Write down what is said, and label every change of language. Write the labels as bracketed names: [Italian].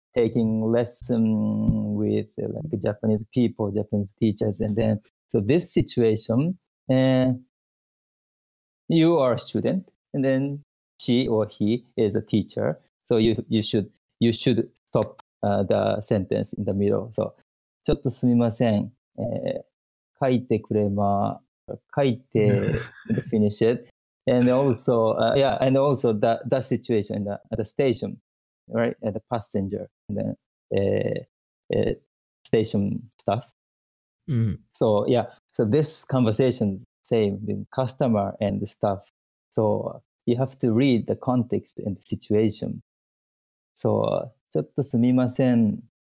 [English] taking lesson with like Japanese people, Japanese teachers, and then so this situation, you are a student, and then she or he is a teacher. So you should stop the sentence in the middle. [Japanese] So, ちょっとすみません。書いてくれま、書いて [English] finish it. And also, and also the situation in the station, right? At the passenger and then station staff. Mm. So yeah, so this conversation same with customer and the staff. So you have to read the context and the situation. [Japanese] So ちょっとすみません。